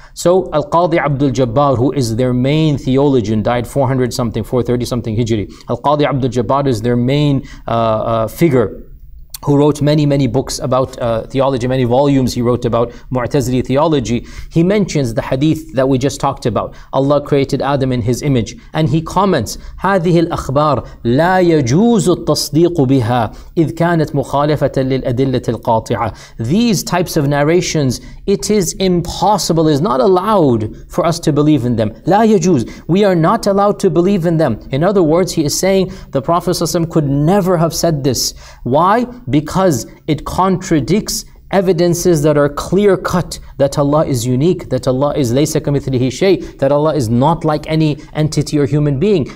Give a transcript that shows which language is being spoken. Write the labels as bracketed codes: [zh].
[en] So Al-Qadhi Abdul Jabbar, who is their main theologian, died 430-something Hijri. Al-Qadhi Abdul Jabbar is their main figure, who wrote many, many books about theology, many volumes he wrote about Mu'tazili theology. He mentions the hadith that we just talked about. Allah created Adam in his image. [ar] And he comments, هَذِهِ الْأَخْبَارِ لَا يَجُوزُ التَّصْدِيقُ بِهَا إِذْ كَانَتْ مُخَالِفَةً لِلْأَدِلَّةِ الْقَاطِعَةِ. [en] These types of narrations, it is impossible, is not allowed for us to believe in them. [ar] لَا يَجُوزُ. [en] We are not allowed to believe in them. In other words, he is saying the Prophet ﷺ could never have said this. Why? Because it contradicts evidences that are clear-cut, that Allah is unique, that Allah is [ar] laysa kamithlihi shay, [en] that Allah is not like any entity or human being.